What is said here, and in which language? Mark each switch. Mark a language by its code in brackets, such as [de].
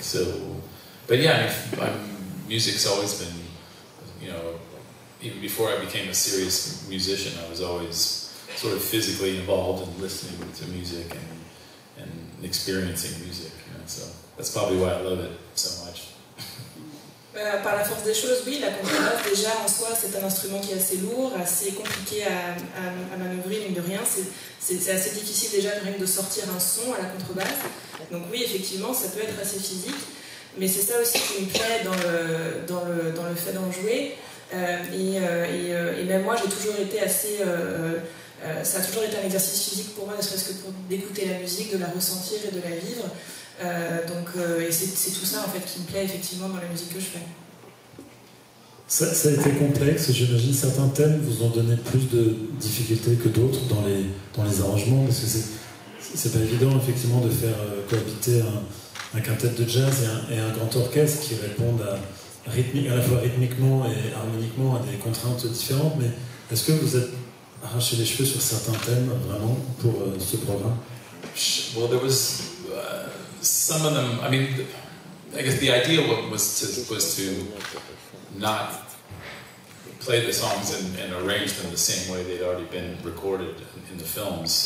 [en] So, but yeah, music's always been, you know, even before I became a serious musician, I was always sort of physically involved in listening to music and experiencing music. You know, so that's probably why I love it so much. [fr] Par la force des choses, oui, la contrebasse déjà en soi, c'est un instrument qui est assez lourd, assez compliqué à manœuvrer, mine de rien. C'est assez difficile déjà même de sortir un son à la contrebasse. Donc oui, effectivement, ça peut être assez physique. Mais c'est ça aussi qui me plaît dans le fait d'en jouer. Et même moi, j'ai toujours été assez... ça a toujours été un exercice physique pour moi, ne serait-ce que pour d'écouter la musique, de la ressentir et de la vivre. Et c'est tout ça, en fait, qui me plaît, effectivement, dans la musique que je fais. Ça a été complexe. J'imagine certains thèmes vous ont donné plus de difficultés que d'autres dans les arrangements, parce que c'est pas évident, effectivement, de faire cohabiter un quintet de jazz et un grand orchestre qui répondent à la fois rythmiquement et harmoniquement à des contraintes différentes. Mais est-ce que vous êtes arraché les cheveux sur certains thèmes vraiment pour ce programme? [en] Well, there was some of them. I mean, I guess the idea was to not play the songs and arrange them the same way they'd already been recorded in the films.